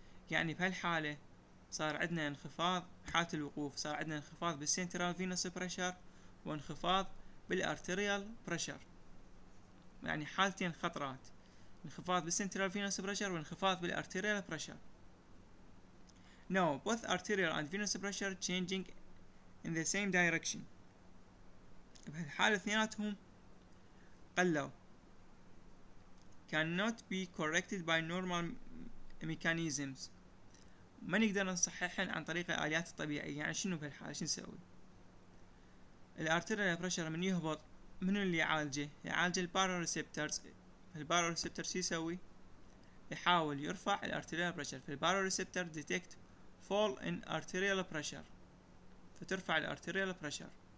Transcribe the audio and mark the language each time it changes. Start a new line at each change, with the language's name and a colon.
Arabic: يعني بهالحالة صار عندنا انخفاض بحالة الوقوف، صار عندنا انخفاض بالسنترال فينوس بريشر وانخفاض بالارتيريال بريشر، يعني حالتين خطرات، انخفاض بالسنترال فينوس بريشر وانخفاض بالارتيريال بريشر.
English: Now both arterial and venous pressure changing in the same direction.
Arabic: بهالحالة اثنيناتهم قلوا.
English: Cannot be corrected by normal mechanisms.
Arabic: ما نقدر نصححهن عن طريق الآليات الطبيعية. يعني شنو بهالحالة؟ شنو نسوي؟ الارتيريال بريشر من يهبط منو اللي يعالجه؟ يعالجه الباروريسبترز. الباروريسبترز شو يسوي؟ يحاول يرفع الارتيريال بريشر. فالباروريسبتر ديتكت
English: fall in arterial pressure،
Arabic: فترفع الارتيريال بريشر.